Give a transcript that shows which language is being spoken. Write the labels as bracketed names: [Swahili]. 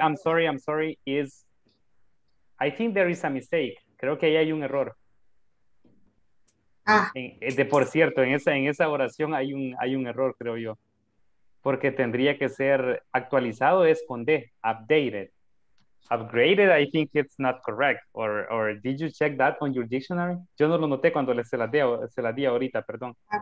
[English] I'm sorry. Is, I think there is a mistake. [Spanish] Creo que ahí hay un error. [English] Ah. [Spanish] Por cierto, en esa oración hay un error, creo yo. Porque tendría que ser actualizado es con D, updated. [English] Upgraded, I think it's not correct. Or did you check that on your dictionary? [Spanish] Yo no lo noté cuando se la di ahorita, perdón.